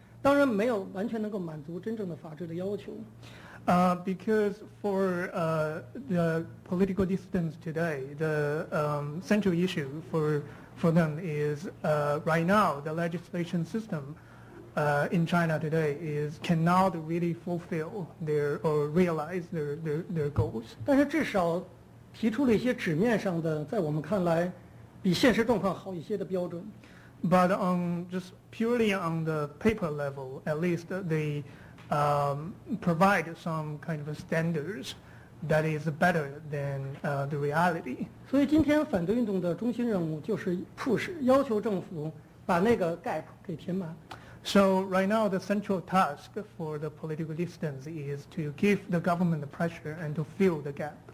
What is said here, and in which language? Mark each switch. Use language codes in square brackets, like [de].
[zh] 因为维权运动的中心意思是说今天中国的法律体系当然没有完全能够满足真正的法治的要求。 [en] Because for the political dissidents today, the central issue for them is right now the legislation system in China today is cannot really fulfill their or realize their goals. [zh] 但是至少提出了一些纸面上的在我们看来比现实状况好一些的标准。 [en] But on just purely on the paper level, at least they provide some kind of standards that is better than the reality. [zh] 所以今天反对运动的中心任务就是要求政府把那个 gap 给填满。 [en] So right now, the central task for the political dissidents is to give the government the pressure and to fill the gap.